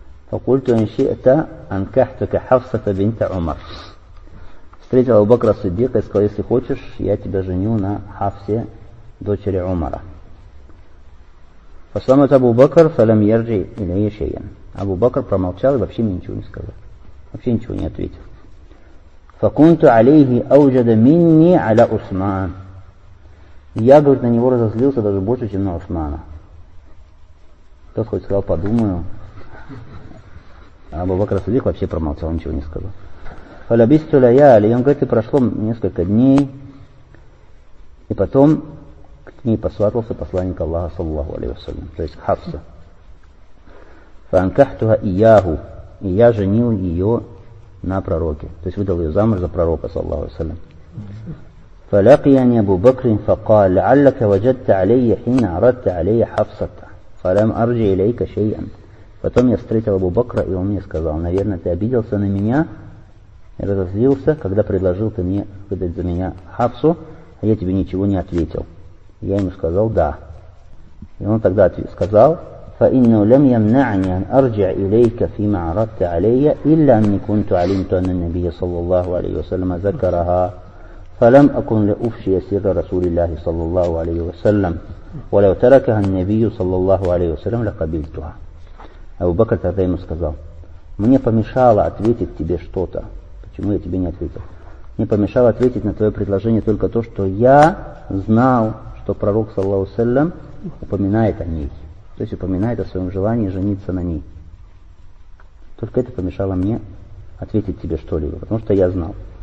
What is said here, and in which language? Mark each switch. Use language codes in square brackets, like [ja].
[ar] «Факульту аншита анкахтука Хафсата бинта Умар». [ru] Встретил Абу Бакра ас-Сиддика и сказал: «Если хочешь, я тебя женю на Хафсе, дочери Умара». [ar] Фасламат Абу Бакр фалям ярджи илейя шейян. [ru] Абу Бакр промолчал и вообще мне ничего не сказал. Вообще ничего не ответил. [ar] فكنت عليه أوجد مني على عثمان. [ru] Я, говорит, на него разозлился даже больше, чем на Усмана. Тот хоть сказал, подумаю. А Абу-Бакр ас-Сиддик вообще промолчал, ничего не сказал. [ar] Фалабисту ляяли. [ru] Он говорит, и прошло несколько дней. И потом к ней посватался посланник Аллаха, саллаллаху алейхи ва саллям, то есть Хафса. [ar] Фанкахтуха ияху. [ru] И я женил ее на пророке. То есть выдал ее замуж за пророка, саллаллаху алейхи ва саллям. [ar] فلقيني أبو بكر فقال لعلك وجدت علي حين عرضت علي حفصة فلم أرجع إليك شيئا. [ru] Потом я встретил Абу Бакра, и он мне сказал: наверное, ты обиделся на меня, разозлился, когда предложил ты мне выдать за меня Хафсу, а я тебе ничего не ответил. Я ему сказал: да. И он тогда сказал: [ar] فإنه لم يمنعني أن أرجع إليك فيما عرضت علي إلا أني كنت علمت أن النبي صلى الله عليه وسلم ذكرها. فلم أكن لأفشي سر رسول الله صلى الله عليه وسلم ولو تركها النبي صلى الله عليه وسلم لقبلتها. [ru] Абу Бакр тогда ему сказал: мне помешало ответить тебе что-то. Почему я тебе не ответил? Мне помешало ответить на твое предложение только то, что я знал, что пророк صلى الله عليه وسلم упоминает о ней. То есть упоминает о своем желании жениться на ней. Только это помешало мне ответить тебе что-либо, потому что я знал.